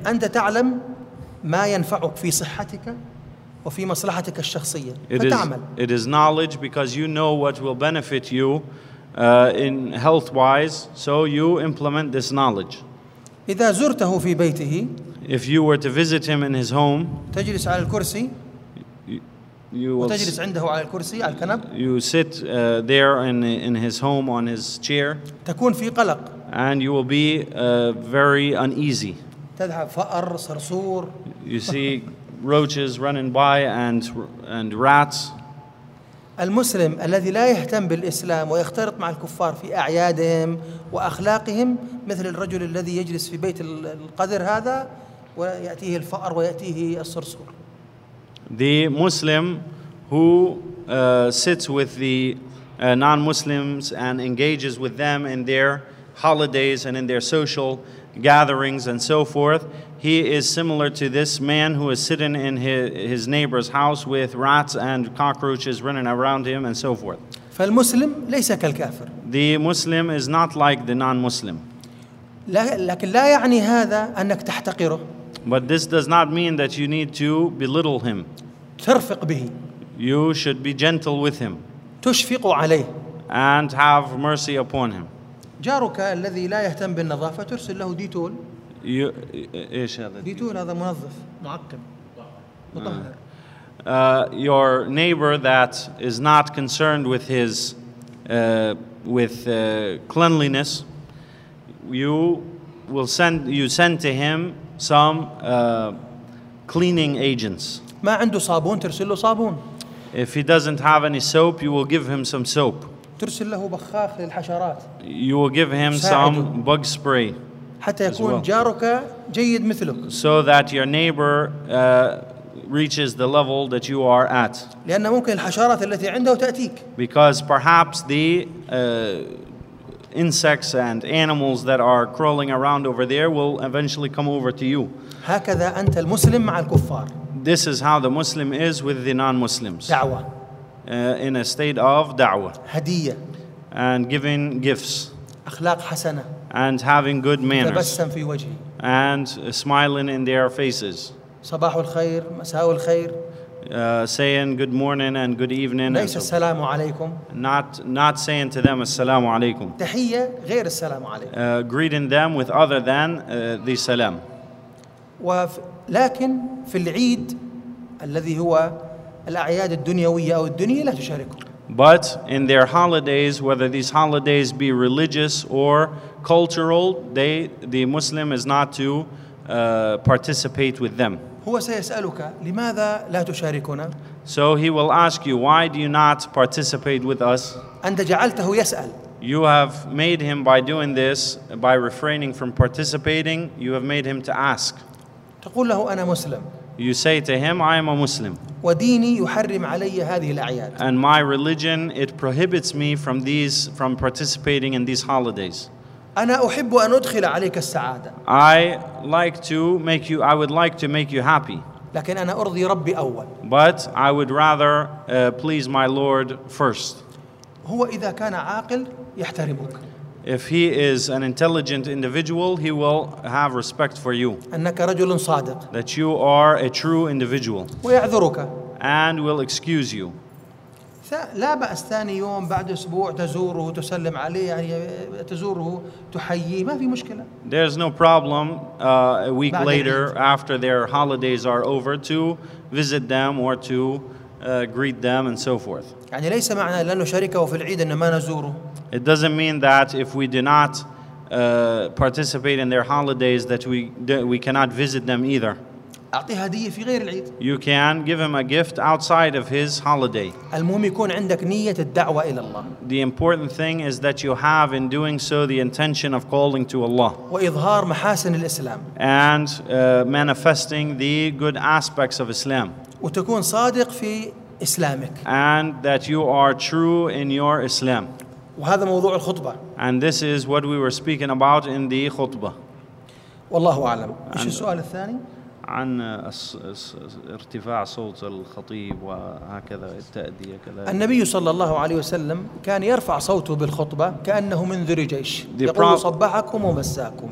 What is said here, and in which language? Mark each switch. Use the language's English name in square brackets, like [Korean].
[Arabic] أنت تعلم ما ينفعك في صحتك وفي مصلحتك الشخصية. فتعمل. [English] It is knowledge because you know what will benefit you. In health-wise, so you implement this knowledge. [Arabic] إذا زرته في بيته, [English] if you were to visit him in his home, [Arabic] تجلس على الكرسي, وتجلس عنده على الكرسي على الكنب. [English] You sit there in his home on his chair. [Arabic] تكون في قلق. [English] And you will be very uneasy. [Arabic] تذهب فأر صرصور. [English] You see roaches running by and rats. [Arabic] المسلم الذي لا يهتم بالإسلام ويختلط مع الكفار في أعيادهم وأخلاقهم مثل الرجل الذي يجلس في بيت القذر هذا ويأتيه الفأر ويأتيه الصرصور. [English] The Muslim who sits with the non-Muslims and engages with them in their holidays and in their social gatherings and so forth, he is similar to this man who is sitting in his neighbor's house with rats and cockroaches running around him and so forth. [Arabic] فالمسلم ليس كالكافر. [English] The Muslim is not like the non-Muslim. [Arabic] لكن لا يعني هذا أنك تحتقره. [English] But this does not mean that you need to belittle him. [Arabic] ترفق به. [English] You should be gentle with him. [Arabic] تشفق عليه. [English] And have mercy upon him. [Arabic] جارك الذي لا يهتم بالنظافة ترسل له ديتول. إيش هذا؟ ديتول هذا منظف معقم مطهر. [English] Your neighbor that is not concerned with his with cleanliness, you send to him some cleaning agents. [Arabic] ما عنده صابون ترسل له صابون. [English] If he doesn't have any soap, you will give him some soap. [Arabic] ترسل له بخاخ للحشرات. [English] You will give him some bug spray. [Arabic] حتى يكون [English] well. [Arabic] جارك جيد مثلك. [English] So that your neighbor reaches the level that you are at. [Arabic] لأن ممكن الحشرات التي عنده تأتيك. [English] Because perhaps the insects and animals that are crawling around over there will eventually come over to you. [Arabic] هكذا أنت المسلم مع الكفار. [English] This is how the Muslim is with the non-Muslims. [Arabic] دعوة. [English] In a state of da'wah. [Arabic] هدية. [English] And giving gifts. [Arabic] أخلاق حسنة. [English] And having good manners. [Arabic] تبسم في وجهي. [English] And smiling in their faces. [Arabic] صباح الخير, مساء الخير. [English] Saying good morning and good evening. [Arabic] ليس السلام عليكم. [English] Not saying to them [Arabic] السلام عليكم. تحية غير السلام عليكم. [English] Greeting them with other than the salam. [Arabic] لكن في العيد الذي هو الأعياد الدنيوية أو الدنيا لا تشاركوا. [English] But in their holidays, whether these holidays be religious or cultural, the Muslim is not to participate with them. [Arabic] هو سيسألك لماذا لا تشاركنا؟ [English] So he will ask you, why do you not participate with us? [Arabic] أنت جعلته يسأل. [English] You have made him by doing this, by refraining from participating, you have made him to ask. [Arabic] تقول له أنا مسلم. [English] You say to him, I am a Muslim. [Arabic] وديني يحرم علي هذه الأعياد. [English] And my religion, it prohibits me from participating in these holidays. [Arabic] أنا أحب أن أدخل عليك السعادة. [English] I would like to make you happy. [Arabic] لكن أنا أرضي ربي أول. [English] But I would rather please my Lord first. [Arabic] هو إذا كان عاقل يحترمك. [English] If he is an intelligent individual, he will have respect for you. [Arabic] أنك رجل صادق. [English] That you are a true individual. [Arabic] ويعذرك. [English] And will excuse you. [Arabic] لا بأس ثاني يوم بعد أسبوع تزوره وتسلم عليه يعني تزوره تحييه ما في مشكلة. [English] There's no problem a week later after their holidays are over to visit them or to greet them and so forth. [Arabic] يعني ليس معنى لأنه شركه في العيد إن ما نزوره. [English] It doesn't mean that if we do not participate in their holidays that we cannot visit them either. [Arabic] أعطيه هدية في غير العيد. [English] You can give him a gift outside of his holiday. [Arabic] المهم يكون عندك نية الدعوة إلى الله. [English] The important thing is that you have in doing so the intention of calling to Allah. [Arabic] وإظهار محاسن الإسلام. [English] And manifesting the good aspects of Islam. [Arabic] وتكون صادق في إسلامك. [English] And that you are true in your Islam. [Arabic] وهذا موضوع الخطبة. [English] And this is what we were speaking about in the خطبة. [Arabic] والله أعلم. إيش السؤال الثاني؟ عن ارتفاع صوت الخطيب وهكذا التأدية كذلك. النبي صلى الله عليه وسلم كان يرفع صوته بالخطبة كأنه منذر جيش يقول صباحكم ومساكم.